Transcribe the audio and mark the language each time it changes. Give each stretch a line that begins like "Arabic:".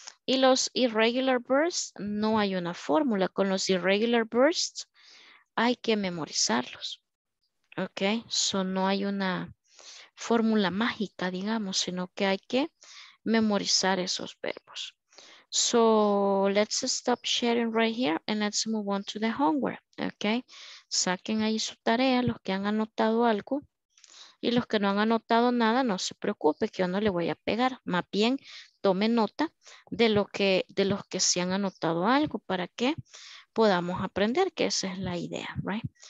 Spanish: Y los irregular verbs, no hay una fórmula. Con los irregular verbs, hay que memorizarlos, ¿ok? So, no hay una fórmula mágica, digamos, sino que hay que memorizar esos verbos.
English: So, let's stop sharing right here and let's move on to the homework, okay?
Spanish: Saquen ahí su tarea, los que han anotado algo. Y los que no han anotado nada, no se preocupe que yo no le voy a pegar. Más bien, tome nota de lo que, de los que sí han anotado algo para que podamos aprender, que esa es la idea, right?